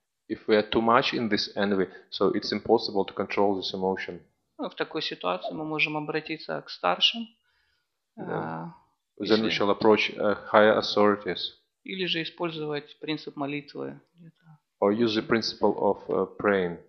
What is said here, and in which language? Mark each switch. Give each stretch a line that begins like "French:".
English: If we are too much in this envy, so it's impossible to control this emotion.
Russian: В такой ситуации мы можем обратиться к старшим.
English: Then we shall approach higher authorities.
Russian: Или же использовать принцип молитвы.
English: Or use the principle of praying.